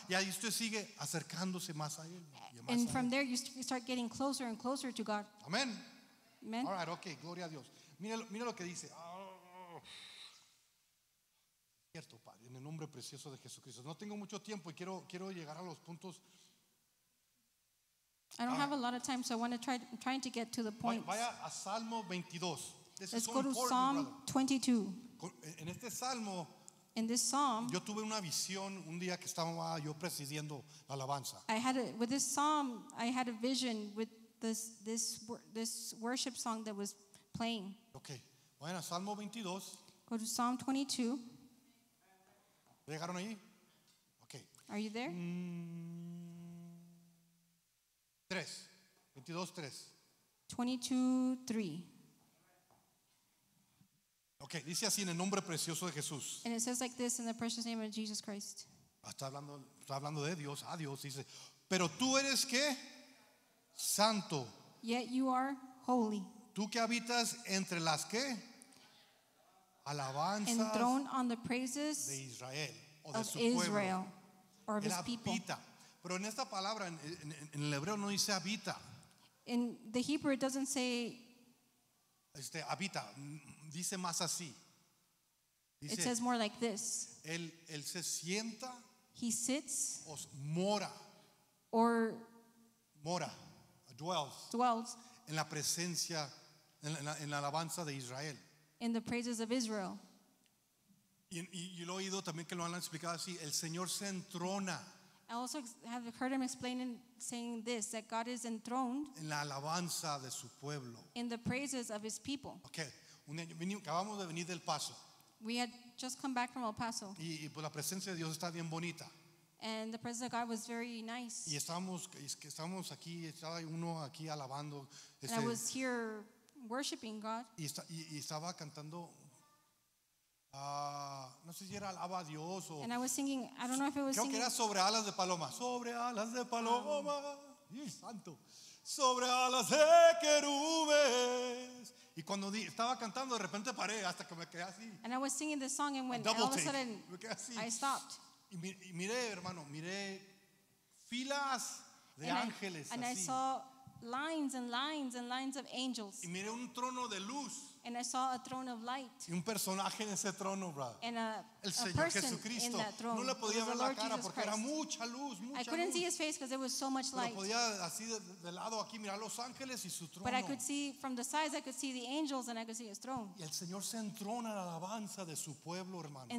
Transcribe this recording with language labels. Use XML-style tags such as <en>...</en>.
<es>Y ahí usted sigue acercándose más a él.</es> <en>And from there you start getting closer and closer to God. Amen. Amen. All right,</en> <es>okay, gloria a Dios. Mira lo que dice. Cierto, Padre, en el nombre precioso de Jesucristo. No tengo mucho tiempo y quiero llegar a los puntos.</es> <en>I don't have a lot of time, so I want to try trying to get to the points.</en> <es>Vaya a Salmo 22.</es> <en>Let's go to Psalm 22.</en> <es>En este Salmo,</es> <en>in this Psalm,</en> <es>yo tuve una visión un día que estaba yo presidiendo la alabanza.</es> <en>With this Psalm, I had a vision with this worship song that was playing.</en> <es>Okay. Vaya a Salmo 22.</es> <en>Go to Psalm 22.</en> <es>¿Llegaron ahí? Okay.</es> <en>Are you there? 3. 22:3. 22:3.</en> <es>Okay, dice así en el nombre precioso de Jesús.</es> <en>And it says like this in the precious name of Jesus Christ.</en> <es>Está hablando de Dios, a Dios dice, "Pero tú eres qué? Santo.</es> <en>Yet you are holy.</en> <es>Tú que habitas entre las qué? Alabanzas.</es> <en>Enthroned on the praises</en> <es>de Israel.</es> <en>Of Israel or of</en> <es>Él</es> <en>his people.</en> <es>Pero en esta palabra,</es> <en>in the Hebrew it doesn't say</en> <es>habita, dice más así. Dice,</es> <en>it says more like this.</en> <es>Él se sienta,</es> <en>he sits</en> <es>mora</es> <en>dwells</en> <es>en la presencia en la alabanza de Israel.</es> <en>In the praises of Israel.</en> <es>Y lo he oído también que lo han explicado así, el Señor se entrona.</es> <en>I also have heard him explaining, saying this, that God is enthroned</en> <es>en la alabanza de su pueblo.</es> <en>In the praises of his people.</en> <es>Okay, acabamos de venir del Paso.</es> <en>We had just come back from El Paso.</en> <es>Y pues la presencia de Dios está bien bonita.</es> <en>And the presence of God was very nice.</en> <es>Y estábamos aquí, estaba uno aquí alabando.</es> <en>And I was here worshiping God.</en> <es>Y estaba cantando. No sé si era alaba a Dios o.</es> <en>And I was singing, I don't know if it was</en> <es>creo</es> <en>singing.</en> <es>Que era sobre alas de paloma. Sobre alas de paloma. Santo. Sobre alas de querubes. Y cuando estaba cantando, de repente paré hasta que me quedé así.</es> <en>And I was singing the song and went, all of a sudden I stopped.</en> <es>Y miré, hermano, miré filas de ángeles así.</es> <en>And I saw lines and lines and lines of angels.</en> <es>Y miré un trono de luz.</es> <en>And I saw a throne of light.</en> <es>Y un personaje en ese trono, bro.</es> <en>And</en> <es>el Señor Jesucristo.</es> <en>In that throne.</en> <es>No le podía ver la cara porque era mucha luz, mucha luz.</es> <en>I couldn't see his face because there was so much light.</en> <es>Pero podía así de lado aquí mirar los ángeles y su trono.</es> <en>But I could see from the sides, I could see the angels and I could see his throne.</en> <es>Y el Señor se entrona en la alabanza de su pueblo, hermano.</es>